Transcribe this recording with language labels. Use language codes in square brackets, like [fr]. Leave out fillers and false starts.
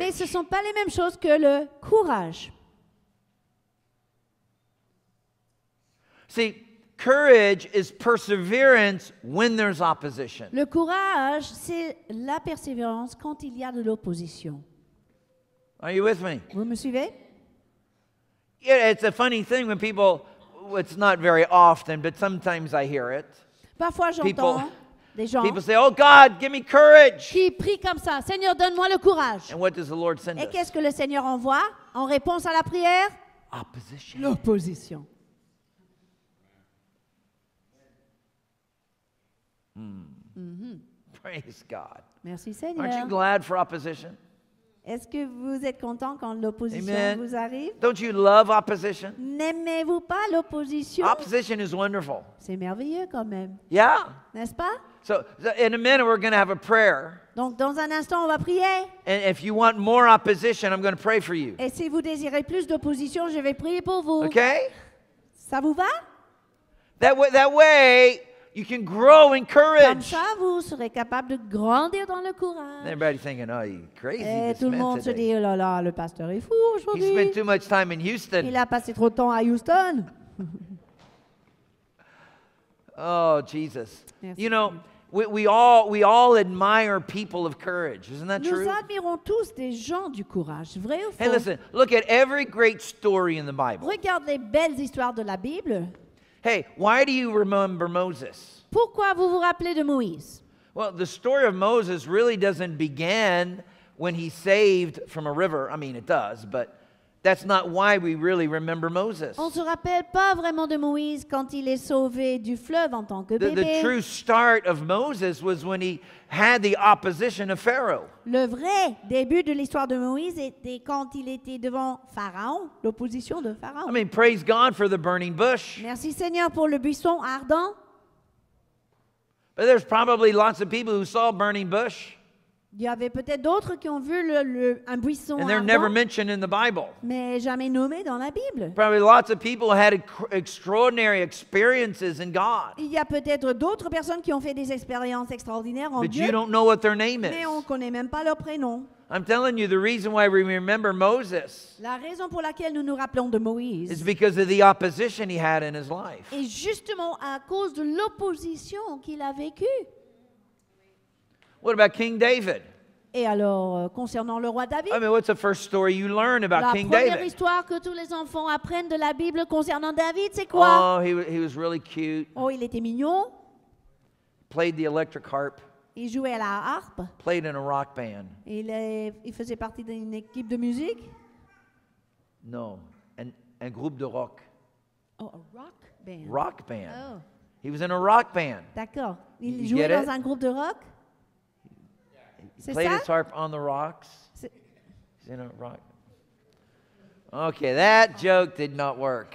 [fr] Mais ce sont pas les mêmes choses que le courage. [en] See, courage is perseverance when there's opposition. [fr] Le courage, c'est la persévérance quand il y a de l'opposition. [en] Are you with me? [fr] Vous me suivez? [en] Yeah, it's a funny thing when people, it's not very often, but sometimes I hear it. [fr] Parfois j'entends people, des gens. [en] People say, "Oh God, give me courage." [fr] Qui prie comme ça, Seigneur, donne-moi le courage. [en] And what does the Lord send [fr] us? Et qu'est-ce que le Seigneur envoie en réponse à la prière? [en] Opposition. [fr] L'opposition. [en] Praise God. [fr] Merci Seigneur. [en] Aren't you glad for opposition? [fr] Est-ce que vous êtes content quand l'opposition [en] Amen. [fr] Vous arrive? [en] Don't you love opposition? [fr] N'aimez-vous pas l'opposition? [en] Opposition is wonderful. [fr] C'est merveilleux quand même. [en] Yeah. [fr] N'est-ce pas? [en] So in a minute we're going to have a prayer. [fr] Donc dans un instant on va prier. [en] And if you want more opposition, I'm going to pray for you. [fr] Et si vous désirez plus d'opposition, je vais prier pour vous. [en] Okay? [fr] Ça vous va? [en] That way. You can grow in courage. [fr] Comme ça, vous serez capable de grandir dans le courage. [en] And everybody's thinking, oh, he's crazy this man today. [fr] Tout le monde se dit, oh là là, le pasteur est fou aujourd'hui. [en] He spent too much time in Houston. [fr] Il a passé trop de temps à Houston. [en] Oh, Jesus. [fr] Merci. [en] You know, we all admire people of courage. Isn't that [fr] Nous [en] true? [fr] Nous admirons tous des gens du courage, vrai ou faux? [en] Hey, listen, look at every great story in the Bible. [fr] Regarde les belles histoires de la Bible. [en] Hey, why do you remember Moses? [fr] Pourquoi vous vous rappelez de Moïse? [en] Well, the story of Moses really doesn't begin when he saved from a river. I mean, it does, but that's not why we really remember Moses. [fr] On se rappelle pas vraiment de Moïse quand il est sauvé du fleuve en tant que bébé. [en] The true start of Moses was when he had the opposition of Pharaoh. [fr] Le vrai début de l'histoire de Moïse était quand il était devant Pharaon, l'opposition de Pharaon. [en] I mean, praise God for the burning bush. [fr] Merci Seigneur pour le buisson ardent. [en] But there's probably lots of people who saw burning bush. [fr] Il y avait peut-être d'autres qui ont vu un buisson [en] And they're [fr] ardent, [en] never mentioned in the Bible. [fr] Mais jamais nommé dans la Bible. [en] Probably lots of people had extraordinary experiences in God. [fr] Il y a peut-être d'autres personnes qui ont fait des expériences extraordinaires en [en] But [fr] Dieu. [en] You don't know what their name is. [fr] Mais on ne connaît même pas leur prénom. [en] I'm telling you, the reason why we remember Moses [fr] La raison pour laquelle nous nous rappelons de Moïse [en] is because of the opposition he had in his life. [fr] Et justement à cause de l'opposition qu'il a vécue. [en] What about King David? [fr] Et alors, concernant le roi David? [en] I mean, what's the first story you learn about [fr] la [en] King David? [fr] La première histoire que tous les enfants apprennent de la Bible concernant David, c'est quoi? [en] Oh, he was really cute. [fr] Oh, il était mignon. [en] Played the electric harp. [fr] Il jouait à la harpe. [en] Played in a rock band. [fr] Il faisait partie d'une équipe de musique? Non, un groupe de rock. [en] Oh, a rock band. Rock band. Oh. He was in a rock band. [fr] D'accord. Il you jouait dans it? Un groupe de rock? [en] He played his harp on the rocks. He's in a rock. Okay, that joke did not work.